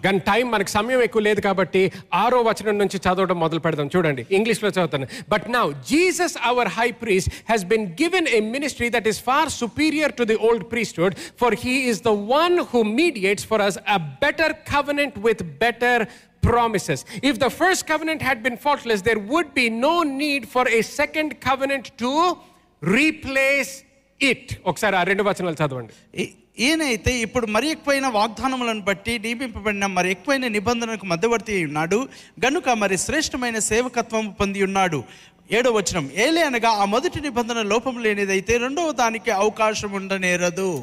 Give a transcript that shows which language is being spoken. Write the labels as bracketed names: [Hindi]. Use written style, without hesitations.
[Telugu] కానీ టైం మనకు సమయం ఎక్కువ లేదు కాబట్టి 6వ వచనం నుంచి చదవడం మొదలు పెడతాం. చూడండి, ఇంగ్లీష్ లో చదువుతాను. [English] But now Jesus our high priest has been given a ministry that is far superior to the old priesthood for he is the one who mediates for us a better covenant with better promises. If the first covenant had been faultless, there would be no need for a second covenant to replace it. [Telugu] Okay, sir, rendu vachanalu chadavandi. ఏనైతే ఇప్పుడు మరి ఎక్కువైన వాగ్దానములను బట్టి నియమింపబడిన మరి ఎక్కువైన నిబంధనలకు మధ్యవర్తి అయి ఉన్నాడు గనుక మరి శ్రేష్టమైన సేవకత్వం పొంది ఉన్నాడు. 7వ వచనం, ఏలే అనగా ఆ మొదటి నిబంధన లోపం లేనిదైతే రెండవ దానికి అవకాశం ఉండనేరదు.